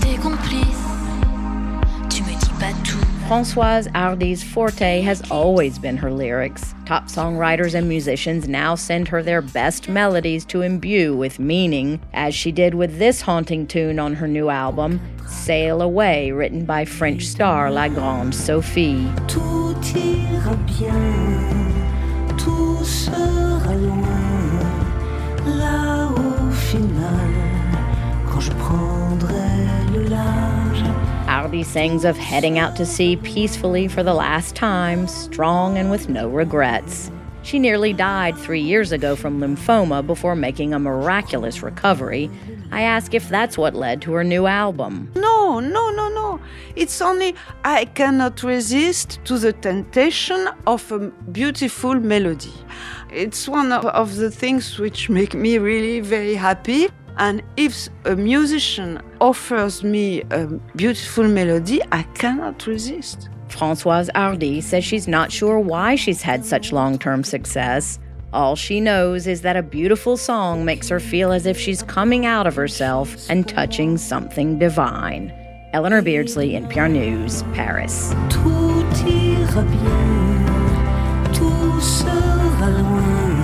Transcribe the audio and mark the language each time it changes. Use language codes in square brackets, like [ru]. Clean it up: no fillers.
[fr] t'es complice, tu me dis pas tout. [en] Françoise Hardy's forte has always been her lyrics. Top songwriters and musicians now send her their best melodies to imbue with meaning, as she did with this haunting tune on her new album, Sail Away, written by French star La Grande Sophie. [fr] Tout ira bien, tout sera loin, là au final, quand je prendrai le large. Hardy [en] he sings of heading out to sea peacefully for the last time, strong and with no regrets. She nearly died 3 years ago from lymphoma before making a miraculous recovery. I ask if that's what led to her new album. No. It's only I cannot resist to the temptation of a beautiful melody. It's one of the things which make me really very happy. And if a musician offers me a beautiful melody, I cannot resist. Françoise Hardy says she's not sure why she's had such long-term success. All she knows is that a beautiful song makes her feel as if she's coming out of herself and touching something divine. Eleanor Beardsley, NPR News, Paris. [fr] Tout ira bien, tout sera loin.